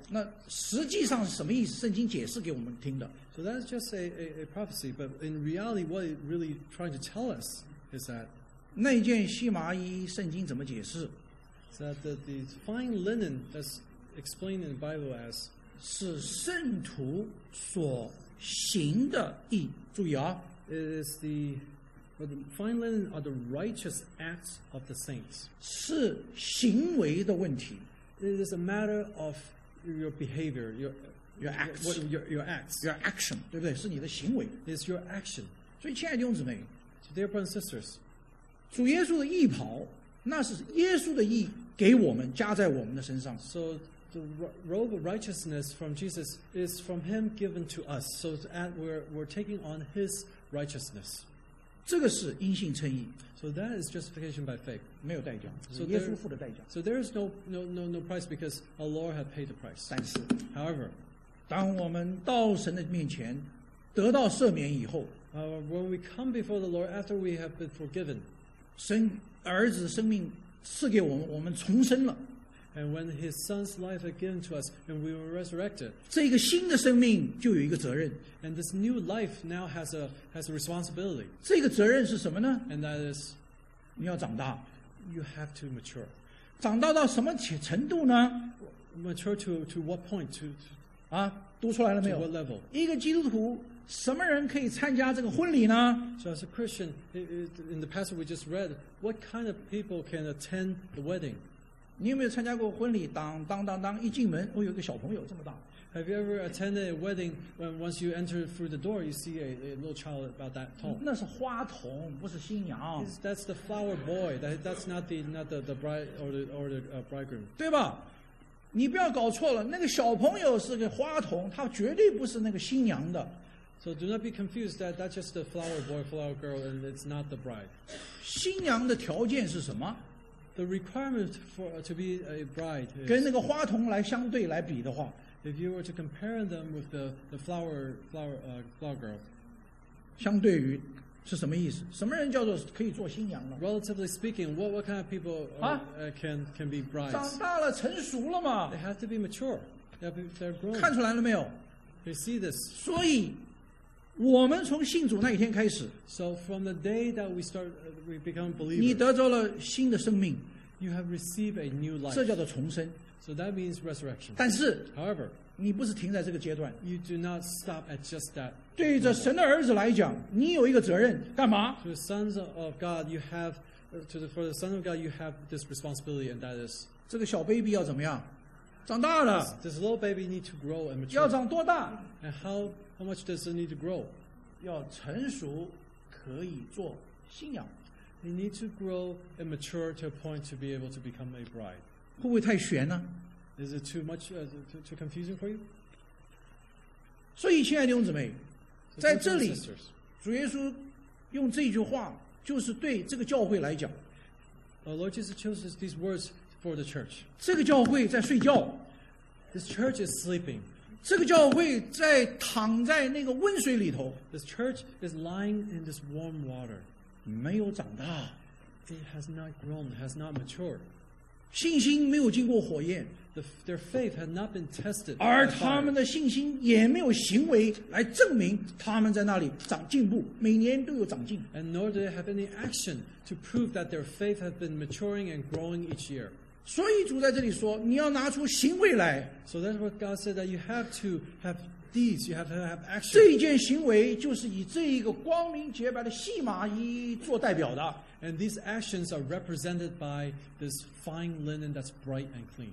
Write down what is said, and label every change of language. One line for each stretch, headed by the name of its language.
Chinese: 那实际上是什么意思？圣经解释给我们听的。
English: So that's just a prophecy, but in reality, what it really trying to tell us is that
Chinese: 那件细麻衣，圣经怎么解释？
English: That the fine linen that's explained in the Bible as
Chinese: 是圣徒所行的义。注意啊
English: ，it is the But the fine linen are the righteous acts of the saints.
Chinese: 是行为的问题。
English: It is a matter of your behavior, your acts. Your acts. Your action,
Chinese: 对不对？是你的行为。
English: It's your action.
Chinese: 所以亲爱的弟兄姊妹。
English: So dear brothers and sisters.
Chinese: 主耶稣的义袍，那是耶稣的义给我们，加在我们的身上。
English: So the robe of righteousness from Jesus is from him given to us. So we're taking on his righteousness.
Chinese: 这个是因信称义。
English: So that is justification by faith.
Chinese: 没有代价。
English: So
Chinese: 耶稣付的代价。
English: So there is no price because our Lord had paid the price.
Chinese: 但是
English: ，However，
Chinese: 当我们到神的面前得到赦免以后
English: ，When we come before the Lord after we have been forgiven，
Chinese: 神儿子的生命赐给我们，我们重生了。
English: And when His Son's life is given to us, and we were resurrected,
Chinese: 这个新的生命就有一个责任。
English: And this new life now has a responsibility.
Chinese: 这个责任是什么呢？
English: And that is,
Chinese: 你要长大。
English: You have to mature.
Chinese: 长大到什么程度呢？
English: Mature to what point? To
Chinese: 啊，读出来了没有？
English: To what level?
Chinese: 一个基督徒什么人可以参加这个婚礼呢？
English: So as a Christian, in the passage we just read, what kind of people can attend the wedding?
Chinese: 你有没有参加过婚礼？当当当当，一进门，我有一个小朋友这么大。
English: Have you ever attended a wedding when once you enter through the door, you see a little child about that tall?
Chinese: 那是花童，不是新娘。
English: That's the flower boy. That's not the bride or the bridegroom.
Chinese: 对吧？你不要搞错了，那个小朋友是个花童，他绝对不是那个新娘的。
English: So do not be confused. That's just the flower boy, flower girl, and it's not the bride.
Chinese: 新娘的条件是什么？
English: The requirement for to be a bride is,
Chinese: 跟那个花童来相对来比的话
English: ，if you were to compare them with the flower girl，
Chinese: 相对于是什么意思？什么人叫做可以做新娘呢
English: ？Relatively speaking, what kind of people can be brides？
Chinese: 长大了，成熟了嘛
English: ？They have to be mature. They're grown.
Chinese: 看出来了没有
English: ？You see this.
Chinese: 所以我们从信主那一天开始
English: ，So from the day that we start, we become believers.
Chinese: 你得着了新的生命
English: ，You have received a new life.
Chinese: 这叫做重生
English: ，So that means resurrection.
Chinese: 但是
English: ，However,
Chinese: 你不是停在这个阶段
English: ，You do not stop at just that.
Chinese: 对于这神的儿子来讲，你有一个责任，干嘛
English: ？To the sons of God, you have to the, for the sons of God, you have this responsibility, and that is
Chinese: 这个小 baby 要怎么样？长大了
English: ，This little baby need to grow and mature.
Chinese: 要长多大
English: ？And how much does it need to grow?
Chinese: 要成熟可以做新娘。
English: You need to grow and mature to a point to be able to become a bride.
Chinese: 会不会太玄呢
English: ？Is it too much too confusing for you?
Chinese: 所以，亲爱的弟兄姊妹，在这里，主耶稣用这句话，就是对这个教会来讲。
English: Lord Jesus chose these words. For the church.
Chinese: 这个教会在睡觉。
English: This church is sleeping.
Chinese: 这个教会在躺在那个温水里头。
English: This church is lying in this warm water.
Chinese: 没有长大。
English: It has not grown, has not matured.
Chinese: 信心没有经过火焰。
English: Their faith has not been tested.
Chinese: 而他们的信心也没有行为来证明他们在那里长进步，每年都有长进。
English: And nor do they have any action to prove that their faith has been maturing and growing each year.
Chinese: 所以主在这里说，你要拿出行为来。
English: So that's what God said that you have to have deeds, you have to have action.
Chinese: 这一件行为就是以这一个光明洁白的细麻衣做代表的。
English: And these actions are represented by this fine linen that's bright and clean.